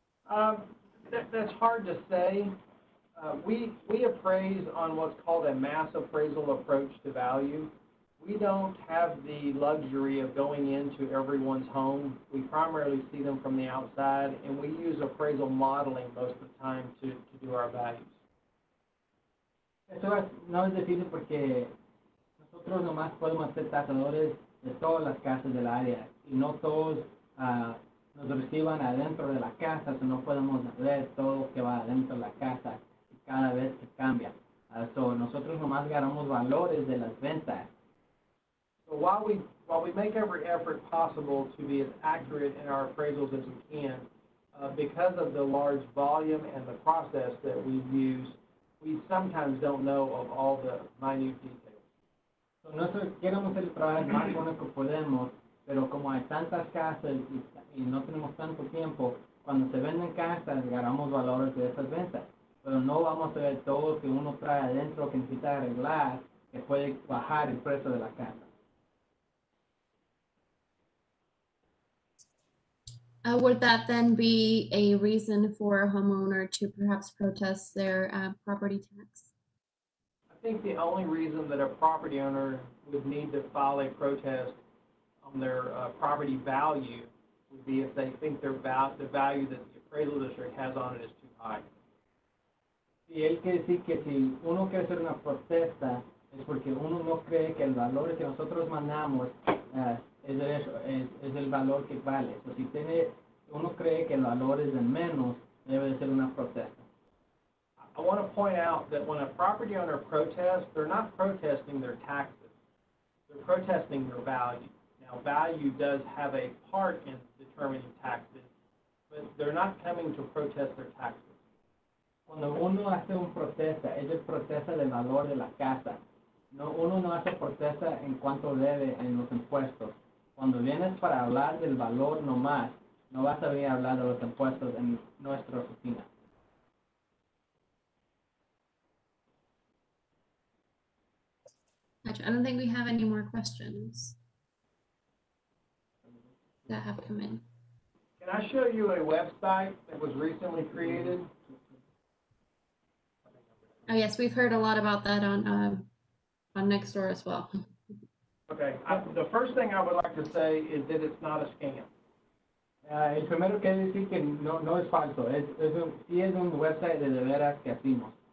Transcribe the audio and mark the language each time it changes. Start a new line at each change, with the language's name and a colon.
English: That's hard to say. We appraise on what's called a mass appraisal approach to value. We don't have the luxury of going into everyone's home. We primarily see them from the outside, and we use appraisal modeling most of the time to do our values.
Spanish: Eso es, no es difícil porque nosotros nomás podemos ser tasadores de todas las casas del área, y no todos nos reciban adentro de la casa, so no podemos ver todo que va adentro de la casa cada vez que cambia. So nosotros nomás ganamos valores de las ventas.
English: So while we make every effort possible to be as accurate in our appraisals as we can, because of the large volume and the process that we use, we sometimes don't know of all the minute details.
Spanish: So nosotros queremos hacer el trabajo más bueno que podemos, pero como hay tantas casas y no tenemos tanto tiempo, cuando se venden casas, ganamos valores de esas ventas. Pero no vamos a ver todo que uno trae adentro que necesita arreglar, que puede bajar el precio de la casa.
English: Would that then be a reason for a homeowner to perhaps protest their property tax? I think the only reason that a property owner would need to file a protest on their property value would be if they think the value that the appraisal district has on it is too high.
Spanish: Y él quiere decir que si uno quiere hacer una protesta es porque uno no cree que el valor que nosotros mandamos es el valor que vale. So si tiene, uno cree que el valor es de menos, debe de ser una protesta.
English: I want to point out that when a property owner protests, they're not protesting their taxes. They're protesting their value. Now, Now, value does have a part in determining taxes, but they're not coming to protest their taxes.
Spanish: Cuando uno hace un protesta, es el protesta del valor de la casa. No, uno no hace protesta en cuanto debe en los impuestos. Cuando vienes para hablar del valor nomás, no vas a venir a hablar de los impuestos en nuestra oficina.
English: I don't think we have any more questions that have come in. Can I show you a website that was recently created? Oh, yes, we've heard a lot about that on Nextdoor as well. Okay, the first thing I would like to say is that it's not a scam.
Spanish: El primero que decir que no es falso, es un website de veras que hacemos.